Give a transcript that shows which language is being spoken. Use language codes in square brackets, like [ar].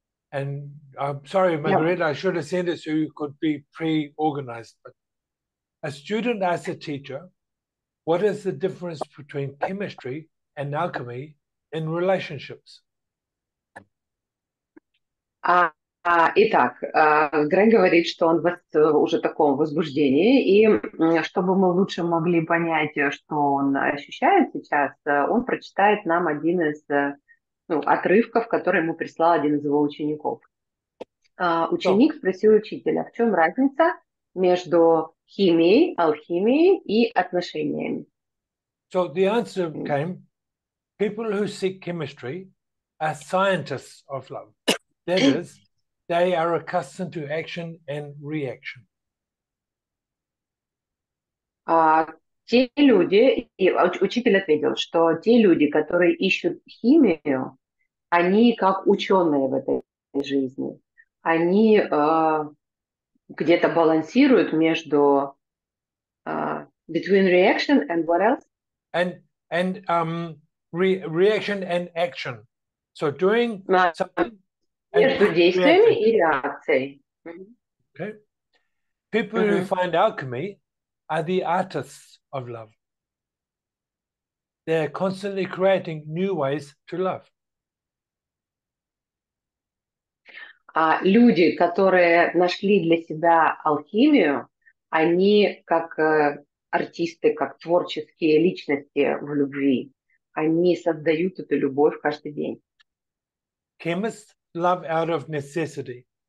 [en] And I'm sorry, Margarita, I should have sent it so you could be pre-organized. But a student asked a teacher, what is the difference between chemistry and alchemy in relationships? [ru] Итак, Грэн говорит, что он уже в таком возбуждении, и чтобы мы лучше могли понять, что он ощущает сейчас, он прочитает нам один из отрывков, который ему прислал один из его учеников. Ученик спросил учителя, в чем разница между химией, алхимией и отношениями? [en] So the answer came, people who seek chemistry are scientists of love. That is, they are accustomed to action and reaction. [ru] Те люди, и учитель ответил, что те люди, которые ищут химию, они как ученые в этой жизни. Они где-то балансируют между [en] between reaction and what else? And reaction and action. So doing something. [ru] Между действиями и реакцией. [en] Okay. People who find alchemy are the artists of love. They are constantly creating new ways to love. [ru] Люди, которые нашли для себя алхимию, они как артисты, как творческие личности в любви. Они создают эту любовь каждый день. [en] Chemists love out of necessity.